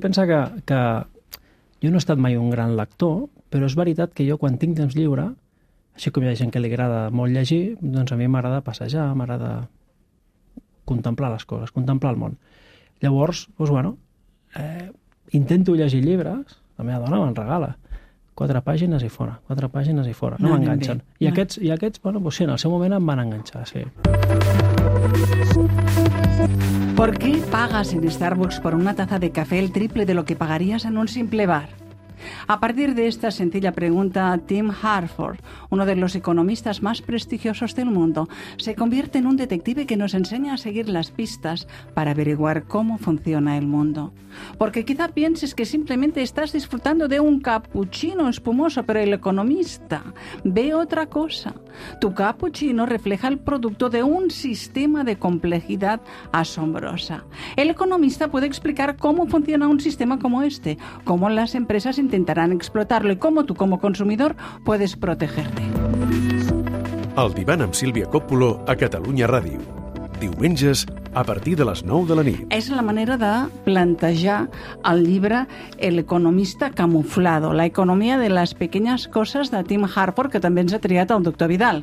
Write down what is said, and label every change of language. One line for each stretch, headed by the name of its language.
Catalan: Pensa que jo no he estat mai un gran lector, però és veritat que jo, quan tinc temps lliure, així com hi ha gent que li agrada molt llegir, doncs a mi m'agrada passejar, m'agrada contemplar les coses, contemplar el món. Llavors, doncs, bueno, intento llegir llibres, la meva dona me'n regala, quatre pàgines i fora, no m'enganxen. I aquests, bueno, doncs sí, en el seu moment em van enganxar, sí.
Spanish: ¿Por qué pagas en Starbucks por una taza de café el triple de lo que pagarías en un simple bar? A partir de esta sencilla pregunta, Tim Harford, uno de los economistas más prestigiosos del mundo, se convierte en un detective que nos enseña a seguir las pistas para averiguar cómo funciona el mundo. Porque quizá pienses que simplemente estás disfrutando de un cappuccino espumoso, pero el economista ve otra cosa. Tu cappuccino refleja el producto de un sistema de complejidad asombrosa. El economista puede explicar cómo funciona un sistema como este, cómo las empresas intentarán explotarlo y cómo tú como consumidor puedes protegerte.
Catalan: El divan amb Sílvia Coppolo a Catalunya Ràdio. Diumenges a partir de les 9 de la nit. És la manera de plantejar el llibre El economista camuflado, la economia de les pequeñas coses de Tim Harford, que també ens ha triat el doctor Vidal.